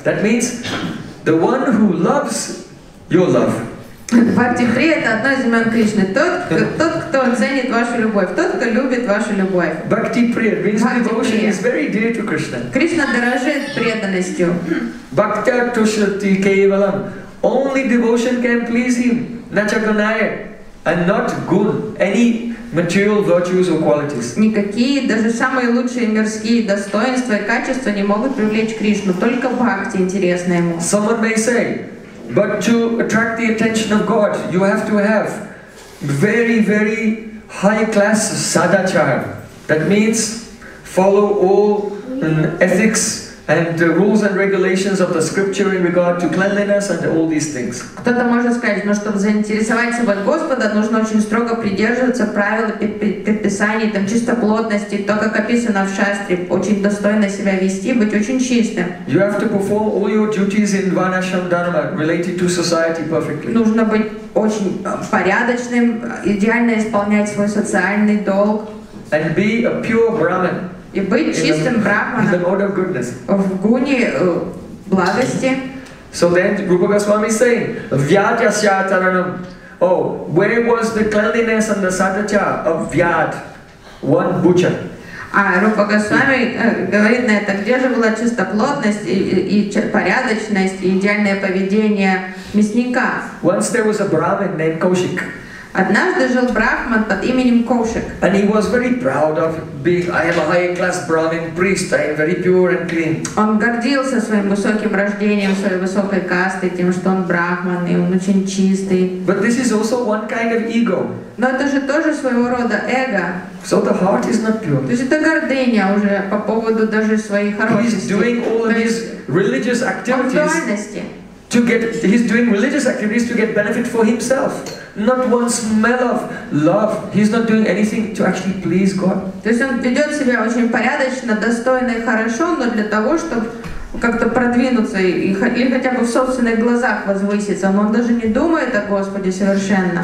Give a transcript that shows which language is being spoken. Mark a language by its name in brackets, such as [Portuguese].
[English] That means the one who loves your love. [Russian] Bhakti Priya — это одно из имен Кришны. Тот, кто ценит вашу любовь. Тот, кто любит вашу любовь. [English] Bhakti Priya means devotion is very dear to Krishna. [Russian] Кришна дорожит преданностью. [Sanskrit] Bhakti Tushati Kevalam. [English] Only devotion can please him. Nachakunaya. And not good. Any material virtues or qualities. [Russian] Никакие, даже самые лучшие мирские достоинства и качества не могут привлечь Кришну. Только бхакти интересна ему. [English] Someone may say, but to attract the attention of God, you have to have very, very high class sadhachara. That means follow all ethics and the rules and regulations of the scripture in regard to cleanliness and all these things. [Russian] Кто-то может сказать, но чтобы заинтересовать собой Господа, нужно очень строго придерживаться правил предписаний, там, чистоплотности, то, как описано в шастре, очень достойно себя вести, быть очень чистым. [English] You have to perform all your duties in Varnashram Dharma related to society perfectly. [Russian] Нужно быть очень порядочным, идеально исполнять свой социальный долг. [English] And be a pure Brahmin. [Russian] И быть чистым брахманом в гуне благости. [English] So then Rupa Goswami is saying, [Sanskrit] Vyadyasya Charanam. [English] Oh, where was the cleanliness and the sadhacha of Vyad, one butcher? [Russian] А Рупа Госвами говорит на это, где же была чистоплотность и порядочность и идеальное поведение мясника? [English] Once there was a Brahmin named Kaushik. [Russian] Однажды жил брахман под именем Кошек. [English] And he was very proud of being, I am a high class Brahmin priest, I am very pure and clean. [Russian] Он гордился своим высоким рождением, своей высокой кастой, тем, что он брахман, и он очень чистый. [English] But this is also one kind of ego. [Russian] Но это же тоже своего рода эго. [English] So the heart is not pure. [Russian] То есть это гордыня уже по поводу даже своей хорошести. [English] He's doing all of his religious activities. He's doing religious activities to get benefit for himself. Not one smell of love. He's not doing anything to actually please God. [Russian] То есть он ведет себя очень порядочно, достойно и хорошо, но для того, чтобы как-то продвинуться или хотя бы в собственных глазах возвыситься, но он даже не думает о Господе совершенно.